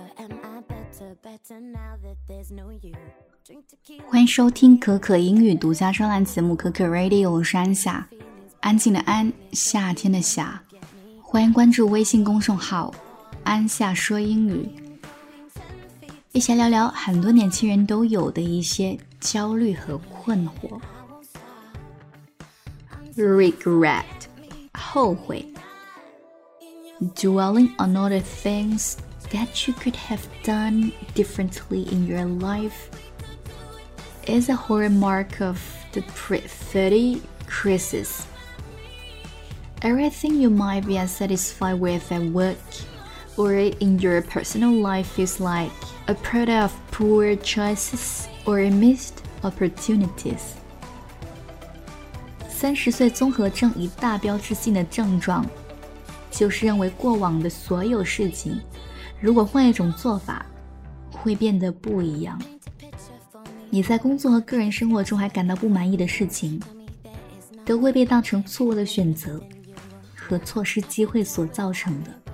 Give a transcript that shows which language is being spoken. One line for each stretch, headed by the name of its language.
English: Am I better now that there's no you?
Chinese: 欢迎收听可可英语独家专栏节目可可 Radio， 我是安夏，安静的安，夏天的夏。欢迎关注微信公众号安夏说英语，一起聊聊很多年轻人都有的一些焦虑和困惑。
English: Regret， 后悔。 Dwelling on all the things that you could have done differently in your life is a hallmark of the pre-30 crisis. Everything you might be unsatisfied with at work or in your personal life feels like a product of poor choices or missed opportunities.
Chinese: 三十岁综合症一大标志性的症状，就是认为过往的所有事情，如果换一种做法，会变得不一样。你在工作和个人生活中还感到不满意的事情，都会被当成错误的选择和错失机会所造成的。